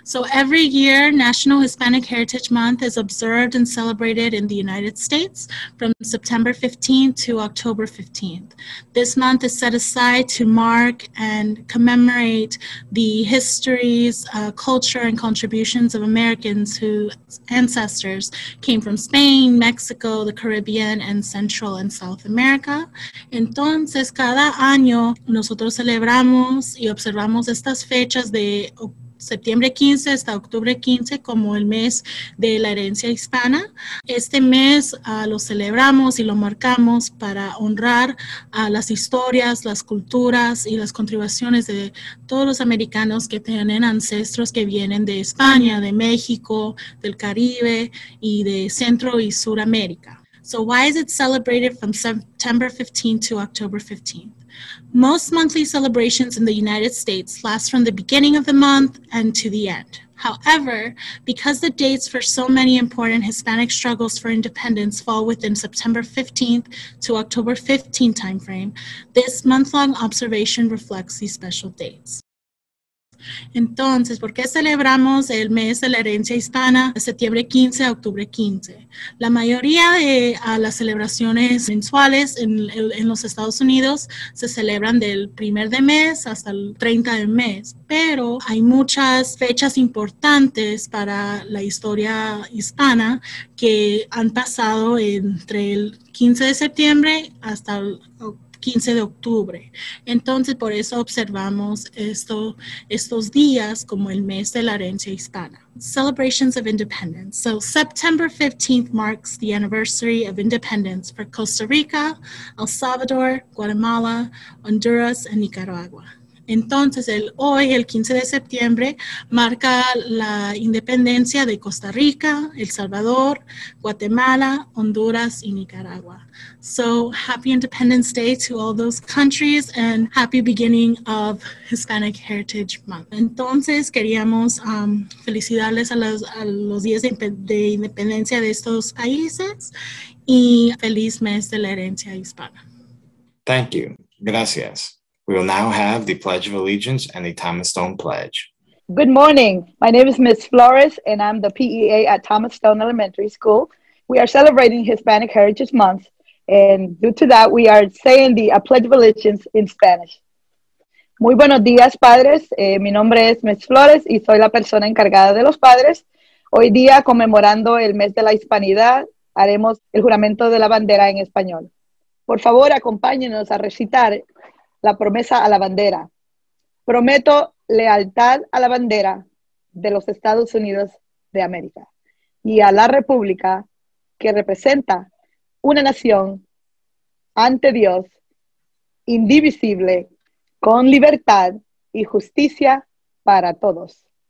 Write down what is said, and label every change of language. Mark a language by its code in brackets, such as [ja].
[en] So every year, National Hispanic Heritage Month is observed and celebrated in the United States from September 15th to October 15th. This month is set aside to mark and commemorate the histories, culture, and contributions of Americans whose ancestors came from Spain, Mexico, the Caribbean, and Central and South America. [es] Entonces, cada año, nosotros celebramos y observamos estas fechas de septiembre 15 hasta octubre 15 como el mes de la herencia hispana. Este mes lo celebramos y lo marcamos para honrar a las historias, las culturas y las contribuciones de todos los americanos que tienen ancestros que vienen de España, de México, del Caribe y de Centro y Suramérica. [en] So why is it celebrated from September 15 to October 15? Most monthly celebrations in the United States last from the beginning of the month and to the end. However, because the dates for so many important Hispanic struggles for independence fall within September 15th to October 15th timeframe, this month-long observation reflects these special dates. [es] Entonces, ¿por qué celebramos el mes de la herencia hispana de septiembre 15 a octubre 15? La mayoría de las celebraciones mensuales en los Estados Unidos se celebran del primer de mes hasta el 30 de mes, pero hay muchas fechas importantes para la historia hispana que han pasado entre el 15 de septiembre hasta el 15 de octubre. Entonces, por eso observamos estos días como el mes de la herencia hispana. [en] Celebrations of independence. So September 15th marks the anniversary of independence for Costa Rica, El Salvador, Guatemala, Honduras, and Nicaragua. [es] Entonces, el 15 de septiembre, marca la independencia de Costa Rica, El Salvador, Guatemala, Honduras, y Nicaragua. [en] So, happy Independence Day to all those countries and happy beginning of Hispanic Heritage Month. [es] Entonces, queríamos felicitarles a los días de independencia de estos países y feliz mes de la herencia hispana. [en] Thank you. Gracias. We will now have the Pledge of Allegiance and the Thomas Stone Pledge. Good morning. My name is Ms. Flores, and I'm the PEA at Thomas Stone Elementary School. We are celebrating Hispanic Heritage Month, and due to that, we are saying the Pledge of Allegiance in Spanish. [es] Muy buenos días, padres. Mi nombre es Ms. Flores, y soy la persona encargada de los padres. Hoy día, conmemorando el mes de la hispanidad, haremos el juramento de la bandera en español. Por favor, acompáñenos a recitar la promesa a la bandera. Prometo lealtad a la bandera de los Estados Unidos de América y a la República que representa una nación ante Dios, indivisible, con libertad y justicia para todos.